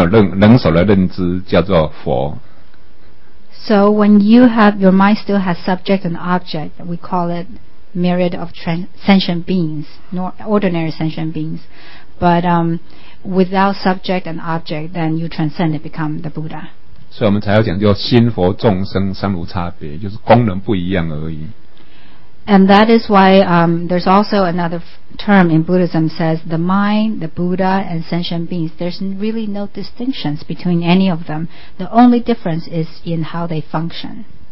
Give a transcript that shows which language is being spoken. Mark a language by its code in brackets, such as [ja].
[zh] 反正就是有能守的认知叫做众生，没有能守的认知叫做佛。 [en] So when you have your mind still has subject and object, we call it myriad of sentient beings, ordinary sentient beings. But without subject and object, then you transcend and become the Buddha. [zh] 所以我们才要讲叫心佛众生三无差别，就是功能不一样而已。 [en] And that is why there's also another term in Buddhism says the mind, the Buddha, and sentient beings. There's really no distinctions between any of them. The only difference is in how they function.